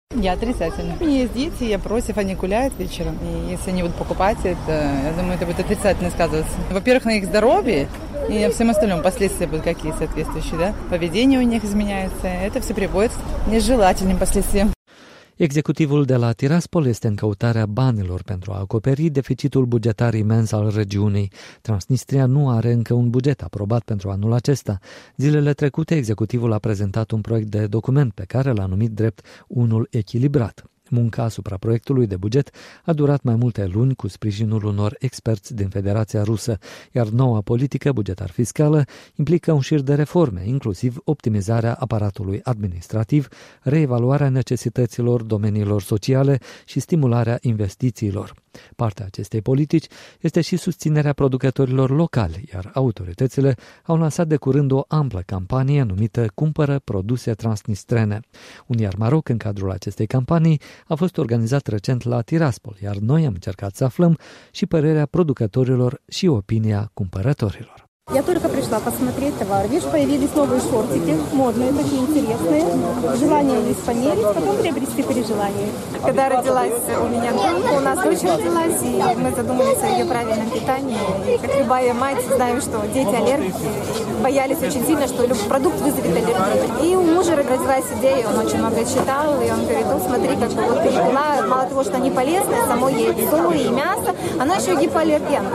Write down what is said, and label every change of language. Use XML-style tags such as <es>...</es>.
<ru>Я отрицательно. У меня есть дети, я против, они гуляют вечером. И если они будут покупать, это, я думаю, это будет отрицательно сказываться. Во-первых, на их здоровье и всем остальном последствия будут какие соответствующие, да? Поведение у них изменяется, это все приводит к нежелательным последствиям.</ru> <ro>Executivul de la Tiraspol este în căutarea banilor pentru a acoperi deficitul bugetar imens al regiunii. Transnistria nu are încă un buget aprobat pentru anul acesta. Zilele trecute, executivul a prezentat un proiect de document pe care l-a numit drept unul echilibrat. Munca asupra proiectului de buget a durat mai multe luni cu sprijinul unor experți din Federația Rusă, iar noua politică bugetar-fiscală implică un șir de reforme, inclusiv optimizarea aparatului administrativ, reevaluarea necesităților domeniilor sociale și stimularea investițiilor. Partea acestei politici este și susținerea producătorilor locali, iar autoritățile au lansat de curând o amplă campanie numită Cumpără produse transnistrene. Un iar maroc în cadrul acestei campanii a fost organizat recent la Tiraspol, iar noi am încercat să aflăm și părerea producătorilor și opinia cumpărătorilor.</ro> <ru>Я только пришла посмотреть товар. Видишь, появились новые шортики, модные, такие интересные. Желание есть померить, потом приобрести при желании. Когда родилась у меня, у нас дочь родилась, и мы задумались о ее правильном питании. Как любая мать, знаем, что дети аллергики, боялись очень сильно, что любой продукт вызовет аллергию. И у мужа родилась идея, он очень много читал, и он говорит, смотри, как бы вот перепела, мало того, что они полезны, само яйцо и мясо, оно еще гипоаллерген.</ru>